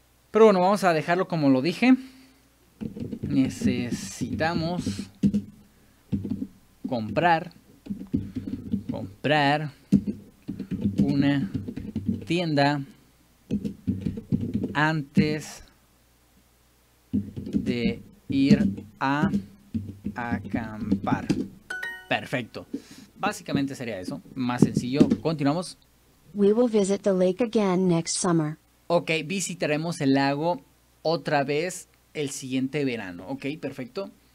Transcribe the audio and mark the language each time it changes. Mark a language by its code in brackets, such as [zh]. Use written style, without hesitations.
[es] Pero bueno, vamos a dejarlo como lo dije. Necesitamos comprar una tienda antes de ir a acampar. Perfecto. Básicamente sería eso. Más sencillo. Continuamos. [en] We will visit the lake again next summer. [es] Ok, visitaremos el lago otra vez el siguiente verano. Ok, perfecto.